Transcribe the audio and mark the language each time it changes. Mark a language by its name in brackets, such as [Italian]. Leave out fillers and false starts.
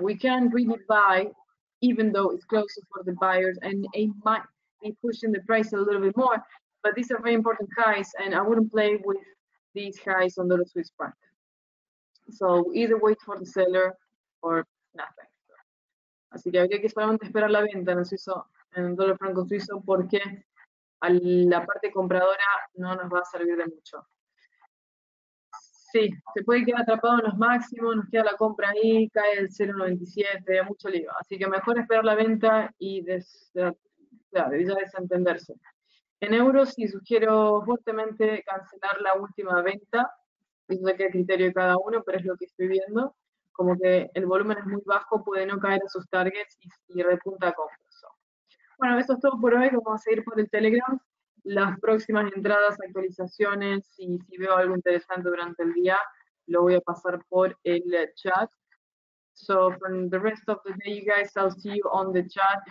[English] We can really buy, even though it's closer for the buyers, and it might be pushing the price a little bit more, but these are very important highs, and I wouldn't play with these highs on dollar Swiss franc. So either wait for the seller or nothing. [Spanish] Así que habría que solamente esperar la venta en el suizo, en el dólar franco suizo, porque a la parte compradora no nos va a servir de mucho. Sí, se puede quedar atrapado en los máximos, nos queda la compra ahí, cae el 0.97, mucho lío. Así que mejor esperar la venta y ya desentenderse. En euros, sí, sugiero fuertemente cancelar la última venta. Eso ya queda criterio de cada uno, pero es lo que estoy viendo. Como que el volumen es muy bajo, puede no caer a sus targets y repunta compras. Bueno, eso es todo por hoy. Vamos a seguir por el Telegram. Las próximas entradas, actualizaciones, y si veo algo interesante durante el día, lo voy a pasar por el chat. [English] So, for the rest of the day, you guys, I'll see you on the chat.